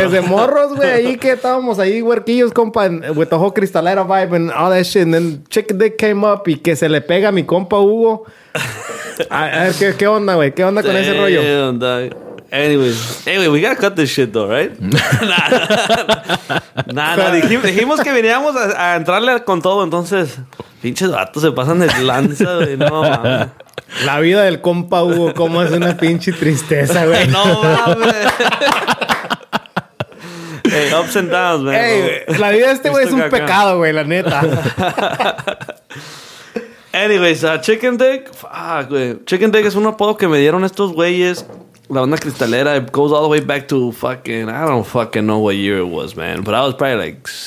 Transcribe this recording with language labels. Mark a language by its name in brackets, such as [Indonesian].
[Spanish] Desde morros, güey, ahí que estábamos ahí, huerquillos, compa, [English] with the whole Cristalera vibe and all that shit. And then Chicken Dick came up [Spanish] y que se le pega a mi compa Hugo. ¿Qué onda, güey? ¿Qué onda con [English] damn, [Spanish] ese rollo? [English] Anyway, we gotta cut this shit, though, right? Nah. [Spanish] Dijimos que veníamos a entrarle con todo, entonces... Pinches vatos se pasan de lanza, güey. No, mames. La vida del compa Hugo, cómo es una pinche tristeza, güey. No, mames. [English] Hey, ups and downs, man. [Spanish] Hey, la vida de este güey es un pecado, güey, la neta. [English] Anyways, Chicken Dick. Fuck, güey. [Spanish] Chicken Dick es un apodo que me dieron estos güeyes. La banda Cristalera. [English] It goes all the way back to fucking... I don't fucking know what year it was, man. But I was probably like...